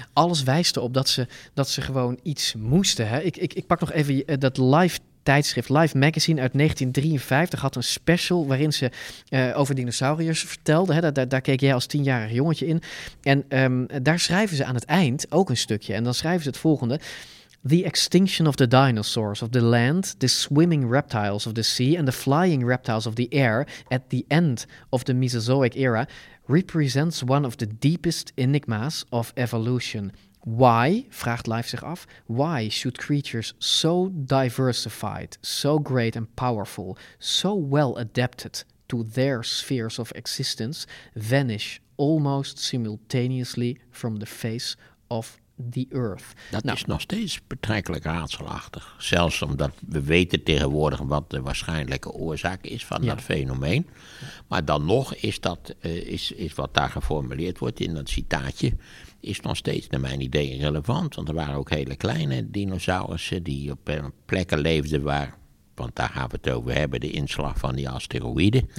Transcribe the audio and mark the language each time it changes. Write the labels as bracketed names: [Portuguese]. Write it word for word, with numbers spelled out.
[Dutch] Alles wijst erop dat ze, dat ze gewoon iets moesten. Hè? Ik, ik, ik pak nog even uh, dat live tijdschrift Life Magazine uit negentien drieënvijftig had een special waarin ze uh, over dinosauriërs vertelde. Hè? Daar, daar, daar keek jij als tienjarig jongetje in. En um, daar schrijven ze aan het eind ook een stukje. En dan schrijven ze het volgende. [English] The extinction of the dinosaurs of the land, the swimming reptiles of the sea and the flying reptiles of the air at the end of the Mesozoic era represents one of the deepest enigmas of evolution. Why, [Dutch] vraagt Life zich af, [English] why should creatures so diversified, so great and powerful, so well adapted to their spheres of existence vanish almost simultaneously from the face of the earth? [Dutch] Dat nou. is nog steeds betrekkelijk raadselachtig. Zelfs omdat we weten tegenwoordig wat de waarschijnlijke oorzaak is van ja. dat fenomeen. Maar dan nog is, dat, uh, is, is wat daar geformuleerd wordt in dat citaatje, is nog steeds naar mijn idee relevant. Want er waren ook hele kleine dinosaurussen die op uh, plekken leefden waar, want daar gaan we het over hebben, de inslag van die asteroïden.